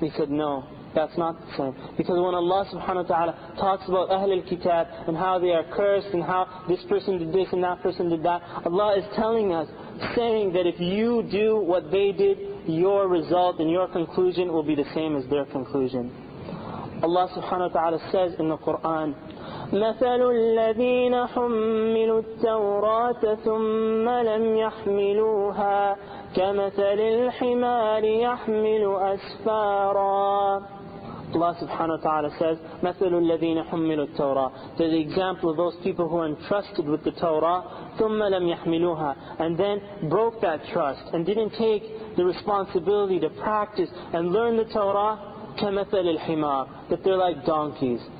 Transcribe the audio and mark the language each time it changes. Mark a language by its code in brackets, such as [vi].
[en] He said, no, that's not the same. Because when Allah subhanahu wa ta'ala talks about Ahlul Kitab and how they are cursed and how this person did this and that person did that, Allah is telling us, saying that if you do what they did, your result and your conclusion will be the same as their conclusion. Allah subhanahu wa ta'ala says in the Quran, [ar] مَثَلُ الَّذِينَ حُمِّلُوا التَّوْرَاةَ ثُمَّ لَمْ يَحْمِلُوهَا كَمَثَلِ الْحِمَارِ يَحْمِلُ أَسْفَارًا. [en] Allah subhanahu wa ta'ala says, [ar] مَثَلُ الَّذِينَ حُمِّلُوا التَّوْرَاةَ, [en] to the example of those people who are entrusted with the Torah, [ar] ثُمَّ لَمْ يَحْمِلُوهَا, [en] and then broke that trust and didn't take the responsibility to practice and learn the Torah, [ar] كَمَثَلِ الْحِمَارِ, [en] that they're like donkeys.